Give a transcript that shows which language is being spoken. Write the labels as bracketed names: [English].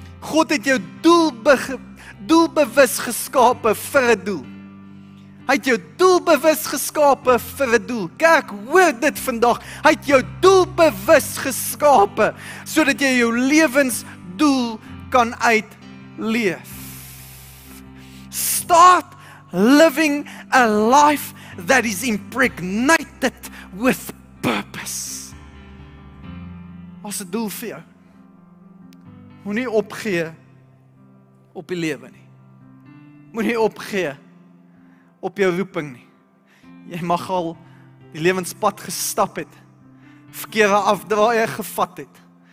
[Afrikaans] God het jou doelbewus geskape vir een doel. Hy het jou doelbewus geskape vir een doel. Kerk, hoor dit vandag. Hy het jou doelbewus geskape, sodat jy jou lewensdoel kan uitleef. [English] Start living a life that is impregnated with purpose. [Afrikaans] Wat 'n doel vir jou? Moenie opgee op die lewe nie. Moenie opgee op jou roeping nie. Jy mag al die lewenspad gestap het, verkeerde afdraaie gevat het.